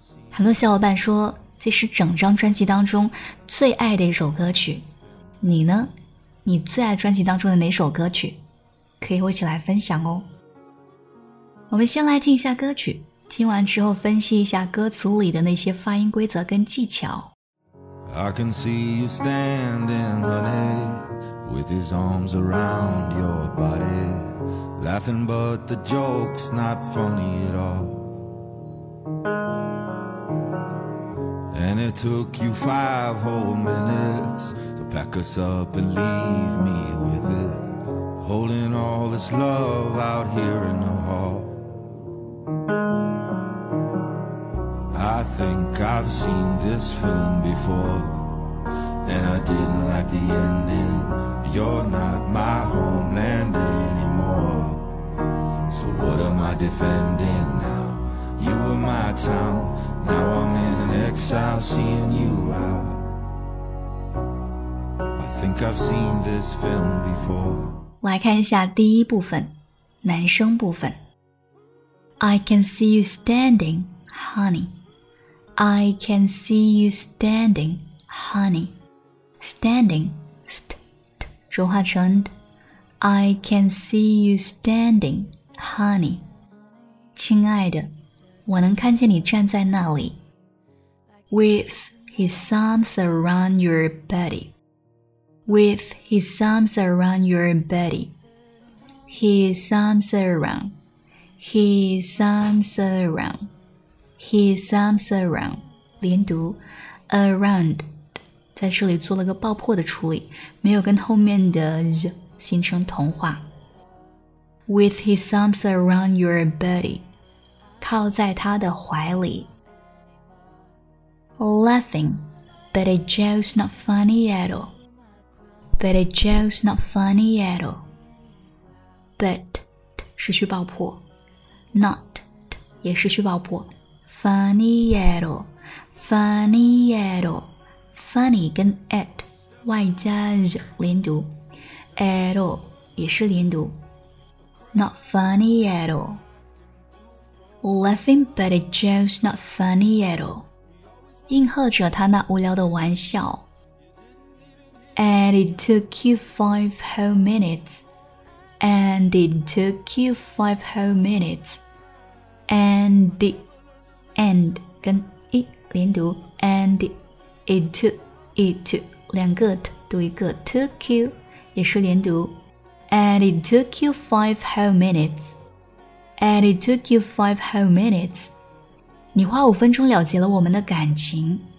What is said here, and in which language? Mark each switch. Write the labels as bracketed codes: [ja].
[zh] 很多小伙伴说这是整张专辑当中最爱的一首歌曲，你呢？你最爱专辑当中的哪首歌曲？可以和我一起来分享哦。我们先来听一下歌曲，听完之后分析一下歌词里的那些发音规则跟技巧。 [en] I can see you standing, honey, with his arms around your body, laughing but the joke's not funny at all. And it took you 5 whole minutes to pack us up and leave me with it, holding all this love out here in the hallI think I've seen this film before, and I didn't like the ending. You're not my homeland anymore, so what am I defending now? You were my town, now I'm in exile seeing you out. I think I've seen this film before. [zh] 来看一下第一部分，男生部分。 [en] I can see you standing, honey. I can see you standing, honey. Standing, st, [zh] 浊化成 [en] d. I can see you standing, honey. [zh] 亲爱的，我能看见你站在那里。 [en] With his arms around your body. With his arms around your body. His arms around. His arms around. His arms around, [zh] 连读 around, 在这里做了个爆破的处理，没有跟后面的 z 形成同化。 [en] With his arms around your body, [zh] 靠在他的怀里。 [en] Laughing, but a joke's not funny at all. But a joke's not funny at all. [zh] But, 失去爆破。Not, 也失去爆破。 [en] Funny at all, funny at all, funny 跟 at 外加 z 连读 ，at all [zh] 也是连读 [en] ，not funny at all. Laughing, but a joke's not funny at all. [zh] 应和着他那无聊的玩笑。 [en] And it took you 5 whole minutes. And it took you 5 whole minutes. And it. And [zh] 跟 i 连读 [en] ，and it took 两个 t 读一个 took you 也是连读 ，and it took you 5 whole minutes, and it took you 5 whole minutes, [zh] 你花5分钟了结了我们的感情。